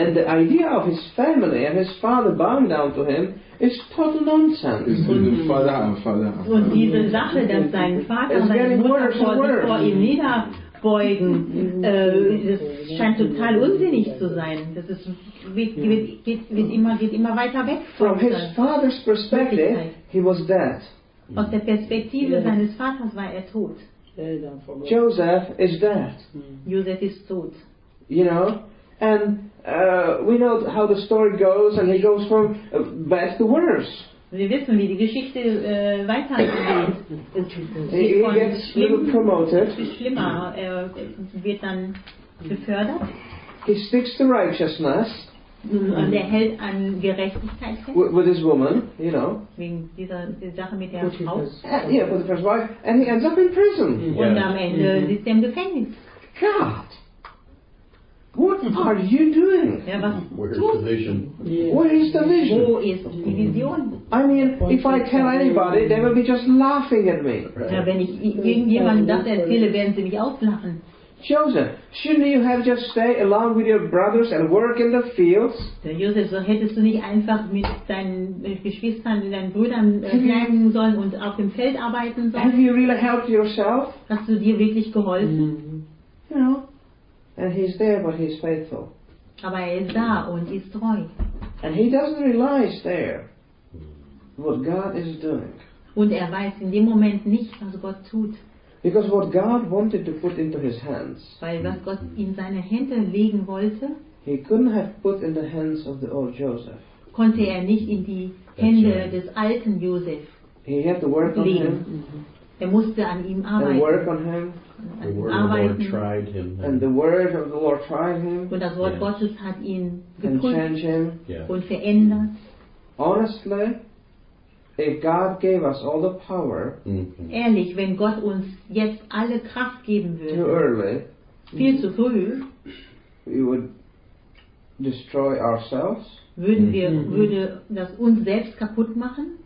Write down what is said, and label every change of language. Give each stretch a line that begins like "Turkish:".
English: And the idea of his family and his father bowing down to him is total nonsense. It's father.
German: Und diese Sache, dass sein Vater seine Mutter vor ihm niederbeugen, das scheint total unsinnig zu sein. Das ist geht immer weiter weg.
English: From his father's perspective, he was dead.
German: Aus der Perspektive seines Vaters war er tot.
English: Joseph is dead.
German: Joseph ist tot.
English: You know? And we know how the story goes, and he goes from bad to worse.
German: Wir wissen, wie die Geschichte weitergeht.
English: He gets a little promoted.
German: Schlimmer. Er wird dann befördert.
English: He sticks to righteousness.
German: Und er hält an Gerechtigkeit fest.
English: With this woman, you know.
German: Wegen dieser Sache mit der Frau.
English: Yeah, for the first wife. And he ends up in prison.
German: Und am Ende sitzt er im Gefängnis.
English: God! What are you doing? Where is the vision?
German: Wo ist die Vision?
English: I mean, if I tell anybody, they will be just laughing at me. Right.
German: Ja, wenn ich irgendjemandem das erzähle, werden sie mich auslachen.
English: Joseph, shouldn't you have just stayed along with your brothers and work in the fields?
German: Joseph, so hättest du nicht einfach mit deinen Geschwistern und deinen Brüdern bleiben sollen und auf dem Feld arbeiten sollen?
English: Have you really helped yourself?
German: Hast du dir wirklich geholfen? Mm-hmm.
English: And he's there, but he's faithful.
German: Aber er ist da und ist treu.
English: And he doesn't realize there what God is doing.
German: Und er weiß in dem Moment nicht, was Gott tut.
English: Because what God wanted to put into his hands,
German: weil was Gott in seine Hände legen wollte,
English: he couldn't have put in the hands of the old Joseph.
German: Konnte er nicht in die Hände des alten Joseph legen.
English: He had to work on him. Mm-hmm.
German: Er musste an ihm arbeiten.
English: And work on him. The word of the Lord tried him. And the word of the Lord tried him.
German: Und das Wort Gottes hat ihn geprüft.
English: And
German: und verändert.
English: Honestly, if God gave us all the power, mm-hmm.
German: ehrlich, wenn Gott uns jetzt alle Kraft geben würde,
English: too early,
German: viel zu früh,
English: we would destroy ourselves,
German: würden wir würde das uns selbst kaputt machen,